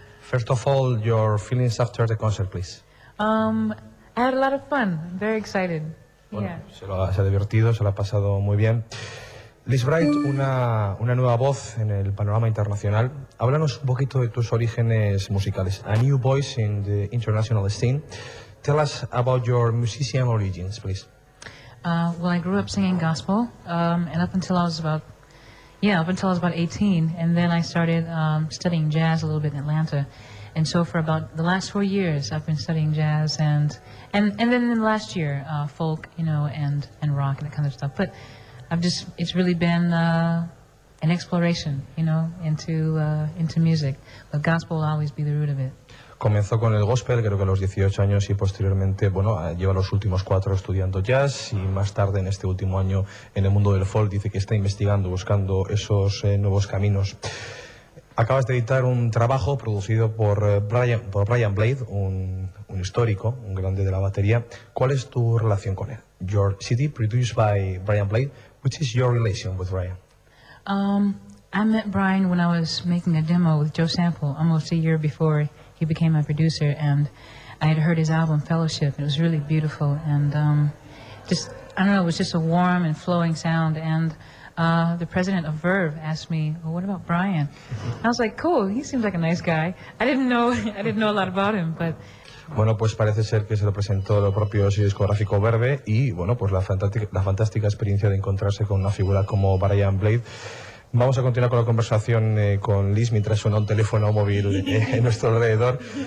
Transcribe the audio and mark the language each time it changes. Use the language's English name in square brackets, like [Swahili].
[English] First of all, your feelings after the concert, please. I had a lot of fun. I'm very excited. [Spanish] Bueno, se lo ha divertido, se lo ha pasado muy bien. Liz Wright, una nueva voz en el panorama internacional. Háblanos un poquito de tus orígenes musicales. [English] A new voice in the international scene. Tell us about your musician origins, please. Well, I grew up singing gospel, and up until I was about 18, and then I started studying jazz a little bit in Atlanta. And so for about the last 4 years, I've been studying jazz, and then in the last year, folk, you know, and rock and that kind of stuff. But I've just, it's really been an exploration, you know, into music. But gospel will always be the root of it. [Spanish] Comenzó con el gospel, creo que a los 18 años, y posteriormente, bueno, lleva los últimos 4 estudiando jazz, y más tarde, en este último año, en el mundo del folk, dice que está investigando, buscando esos nuevos caminos. Acabas de editar un trabajo producido por Brian Blade, un histórico, un grande de la batería. ¿Cuál es tu relación con él? [English] Your CD, produced by Brian Blade. Which is your relation with Brian? I met Brian when I was making a demo with Joe Sample, almost a year before he became my producer, and I had heard his album Fellowship. It was really beautiful, and it was just a warm and flowing sound, and the president of Verve asked me, well, what about Brian? I was like, cool, he seems like a nice guy. I didn't know a lot about him, but... [Spanish] Bueno, pues parece ser que se lo presentó el propio discográfico Verve, y bueno, pues la fantástica experiencia de encontrarse con una figura como Brian Blade. Vamos a continuar con la conversación con Liz mientras suena un teléfono móvil en nuestro alrededor.